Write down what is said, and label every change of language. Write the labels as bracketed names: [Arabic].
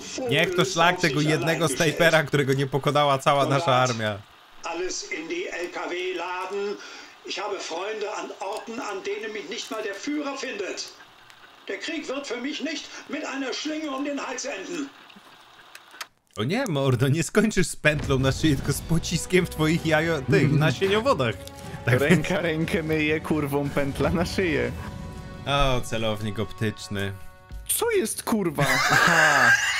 [Polish] Niech to szlak tego jednego snajpera, którego nie pokonała cała nasza armia. [German] Alles in die LKW laden. Ich habe Freunde an Orten, an denen mich nicht mal der Führer findet. Der Krieg wird für mich nicht mit einer Schlinge den Hals enden. [Polish] O nie, mordo, nie skończysz z pętlą na szyi, tylko z pociskiem w twoich tych nasieniowodach. Tak. Ręka rękę myje, kurwą pętla na szyję. O, celownik optyczny. Co jest kurwa? Aha.